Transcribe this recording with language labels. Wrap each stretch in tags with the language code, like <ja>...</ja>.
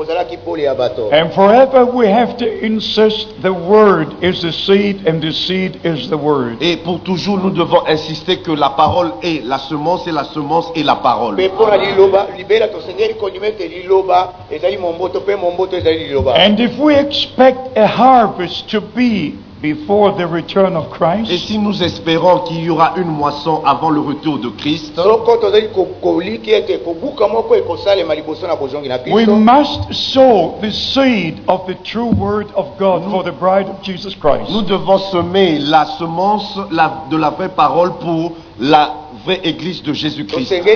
<en>And forever we have to insist the word is the seed and the seed is the word.</en> <fr>Et pour toujours nous devons insister que la parole est la semence et la semence est la parole.</fr> <en>And if we expect a harvest to be before the return of Christ,</en> <fr>et si nous espérons qu'il y aura une moisson avant le retour de Christ,</fr> <en>we must sow the seed of the true word of God for the bride of Jesus Christ.</en> <fr>Nous devons semer la semence de la vraie parole pour la vraie église de Jésus-Christ.</fr>